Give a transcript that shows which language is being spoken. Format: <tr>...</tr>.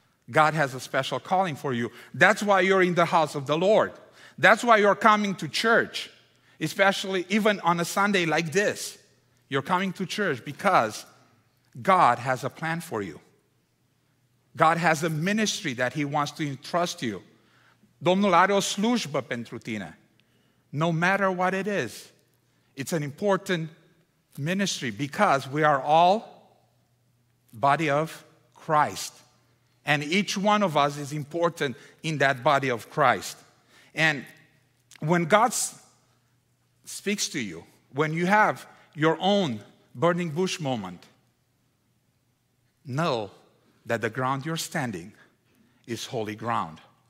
<en>God has a special calling for you. That's why you're in the house of the Lord. That's why you're coming to church, especially even on a Sunday like this. You're coming to church because God has a plan for you. God has a ministry that he wants to entrust you.</en> <ro>Domnul are o slujbă pentru tine.</ro> <en>No matter what it is, it's an important ministry because we are all body of Christ. And each one of us is important in that body of Christ. And when God speaks to you, when you have your own burning bush moment, know that the ground you're standing is holy ground.</en>